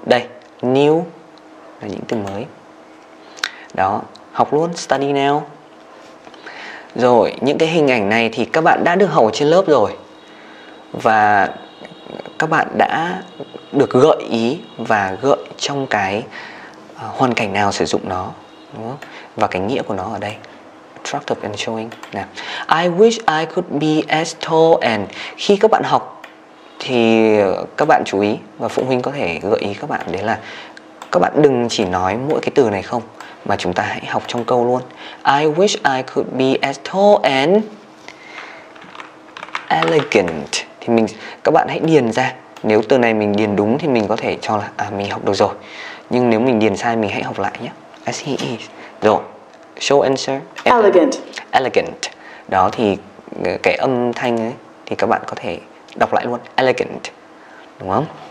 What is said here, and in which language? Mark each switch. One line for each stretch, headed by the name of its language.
Vietnamese: Đây, new là những từ mới. Đó, học luôn,
English: study now.
Vietnamese: Rồi, những cái hình ảnh này thì các bạn đã được học trên lớp rồi, và các bạn đã được gợi ý và gợi trong cái hoàn cảnh nào sử dụng nó, đúng không? Và cái nghĩa của nó ở đây.
English: Attractive and showing. Now, I wish I could be as tall.
Vietnamese: And khi các bạn học thì các bạn chú ý, và phụ huynh có thể gợi ý các bạn, đấy là các bạn đừng chỉ nói mỗi cái từ này không, mà chúng ta hãy học trong câu luôn.
English: I wish I could be as tall and elegant.
Vietnamese: Thì mình, các bạn hãy điền ra. Nếu từ này mình điền đúng thì mình có thể cho là mình học được rồi. Nhưng nếu mình điền sai mình hãy học lại nhé.
English: As he is. Rồi, show answer. Elegant. Elegant.
Vietnamese: Đó, thì cái âm thanh ấy thì các bạn có thể đọc lại luôn. Elegant. Đúng không?